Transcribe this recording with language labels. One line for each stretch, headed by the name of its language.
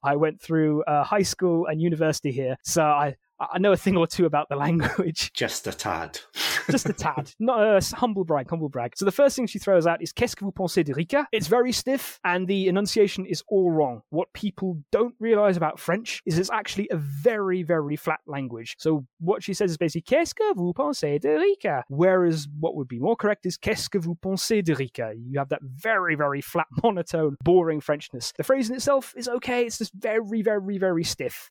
English: I went through high school and university here, so I know a thing or two about the language. Just a tad. Just a tad. Not a humble brag, humble brag. So the first thing she throws out is,
French: qu'est-ce que vous pensez de Rika?
English: It's very stiff, and the enunciation is all wrong. What people don't realize about French is it's actually a very, very flat language. So what she says is basically,
French: qu'est-ce que vous pensez de Rika?
English: Whereas what would be more correct is,
French: qu'est-ce que vous pensez de Rika?
English: You have that very, very flat, monotone, boring Frenchness. The phrase in itself is okay. It's just very, very, very stiff.